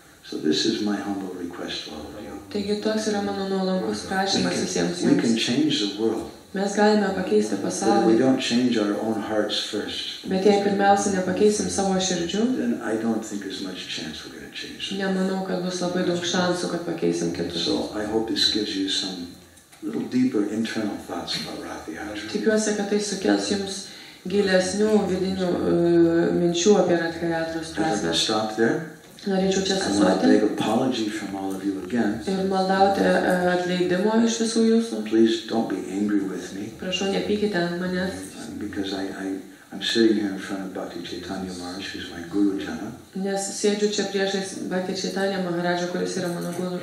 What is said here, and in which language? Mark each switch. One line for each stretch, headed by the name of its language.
English: So this is my humble request to all of you.
Lithuanian: Taigi toks yra mano nuolankus prašymas visiems jums.
English: We can change the world.
Lithuanian: Mes galime pakeisti pasaulį.
English: But we don't change our own hearts first.
Lithuanian: Bet jei pirmiausia nepakeisim savo širdžių,
English: then I don't think there's much chance we're going to change.
Lithuanian: Nemanau, kad bus labai daug šansų, kad pakeisim kitus.
English: So I hope this gives you some little deeper internal thoughts about Radhiyatra.
Lithuanian: Tikiuosi, kad tai sukels jums gilesnių vidinių minčių apie Radhiyatros prasmę. Norėčiau čia sustoti. Ir maldauti atleidimo iš visų jūsų.
English: Please don't be angry with me.
Lithuanian: Prašau, nepykite ant manęs.
English: Because I'm sitting here in front of Bhakti Chaitanya Maharaj, who's my guru jana.
Lithuanian: Nes sėdžiu čia priešais Bhakti Chaitanya Maharaja, kuris yra mano guru